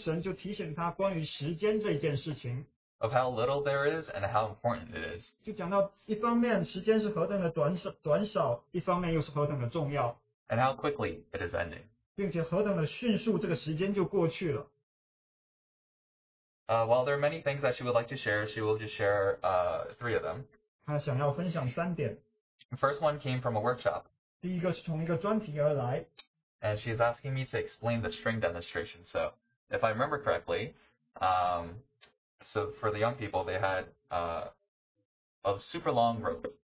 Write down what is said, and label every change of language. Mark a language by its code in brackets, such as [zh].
[zh] 她说在特会当中神就提醒她关于时间这件事情。 [en] Of how little there is and how important it is. [zh] 就讲到一方面时间是何等的短少，一方面又是何等的重要。 [en] And how quickly it is ending. [zh] 并且何等的迅速这个时间就过去了。 [en] While there are many things that she would like to share, she will just share three of them. [zh] 她想要分享三点。 [en] The first one came from a workshop. [zh] 第一个是从一个专题而来。 [en] And she is asking me to explain the string demonstration. So, if I remember correctly, so for the young people, they had a super long rope.